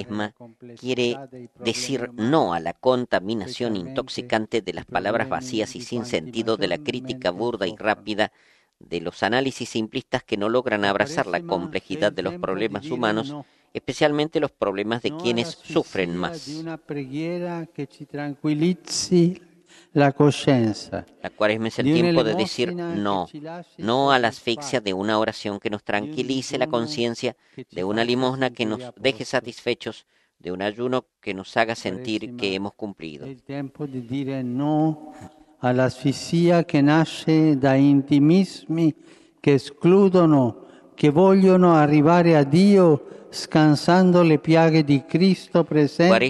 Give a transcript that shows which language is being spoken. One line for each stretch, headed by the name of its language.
Spanish: La Cuaresma quiere decir no a la contaminación intoxicante de las palabras vacías y sin sentido, de la crítica burda y rápida, de los análisis simplistas que no logran abrazar la complejidad de los problemas humanos, especialmente los problemas de quienes sufren más.
Italian: Una preghiera che ci tranquillizzi la coscienza.
Spanish: La Cuaresma es el tiempo de decir no, no a la asfixia de una oración que nos tranquilice la conciencia, de una limosna que nos deje satisfechos, de un ayuno que nos haga sentir que hemos cumplido. Es el tiempo de decir no a la asfixia que nace de intimismos que excluyen, que quieren llegar a Dios descansando las piagas de Cristo presente.